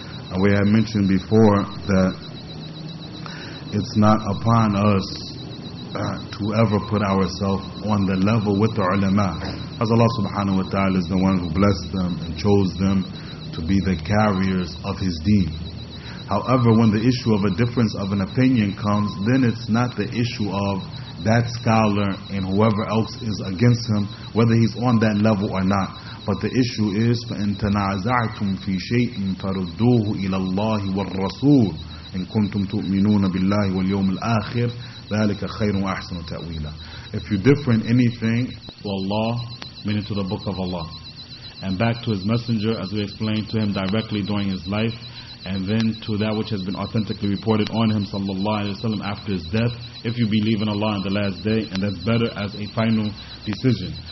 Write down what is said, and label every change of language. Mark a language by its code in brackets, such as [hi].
[en] And we have mentioned before that it's not upon us to ever put ourselves on the level with the ulama, as Allah [ar] subhanahu wa ta'ala [en] is the one who blessed them and chose them to be the carriers of his deen. However, when the issue of a difference of an opinion comes, then it's not the issue of that scholar and whoever else is against him, whether he's on that level or not. But the issue is, [ar] فَإِن تَنَعَزَعْتُمْ فِي شَيْءٍ فَرُدُّوهُ إِلَى اللَّهِ وَالرَّسُولِ إِن كُنْتُمْ تُؤْمِنُونَ بِاللَّهِ وَالْيَوْمِ الْآخِرِ ذَلِكَ خَيْرٌ وَأَحْسَنُ تَأْوِيلًا. [en] If you differ in anything to Allah, meaning to the Book of Allah, and back to his messenger, as we explained to him directly during his life, and then to that which has been authentically reported on him [ar] sallallahu alayhi wa sallam [en] after his death, if you believe in Allah on the last day, and that's better as a final decision.